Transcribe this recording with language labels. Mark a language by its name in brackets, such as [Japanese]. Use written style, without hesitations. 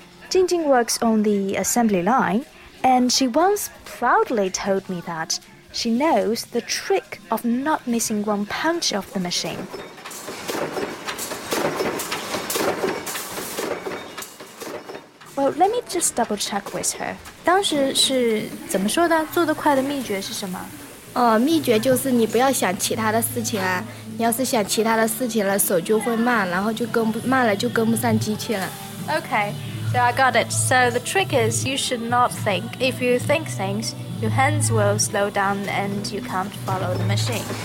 [English] Jingjing works on the assembly line, and she once proudly told me that she knows the trick of not missing one punch of the machine. Well, let me just double check with her. [Chinese] 当时是怎么说的？做得快的秘诀是什么？秘诀就是你不要想其他的事情啊。你要是想其他的事情了，手就会慢，然后就跟慢了就跟不上机器了。Okay, [English] so I got it. So the trick is you should not think. If you think things, your hands will slow down and you can't follow the machine.